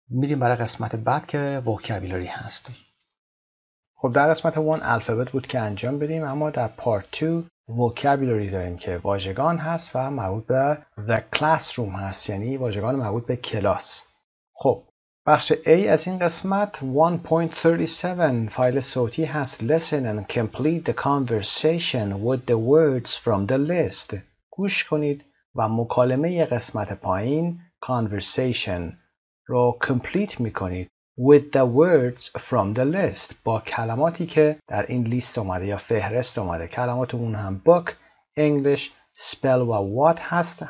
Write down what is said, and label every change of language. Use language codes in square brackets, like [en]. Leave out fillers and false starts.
[fa] میریم برای قسمت بعد که وکابولاری هست. خب در قسمت 1 الفابت بود که انجام بدیم، اما در پارت 2 vocabulary داریم که واژگان هست و مربوط به the classroom هست، یعنی واژگان مربوط به کلاس. خب بخش A از این قسمت 1.37 فایل صوتی هست. [en] Listen and complete the conversation with the words from the list. [fa] گوش کنید و مکالمه قسمت پایین conversation رو complete میکنید [en] with the words from the list، [fa] با کلماتی که در این لیست اومده یا فهرست اومده. کلماتمون هم book، english، spell و what هست.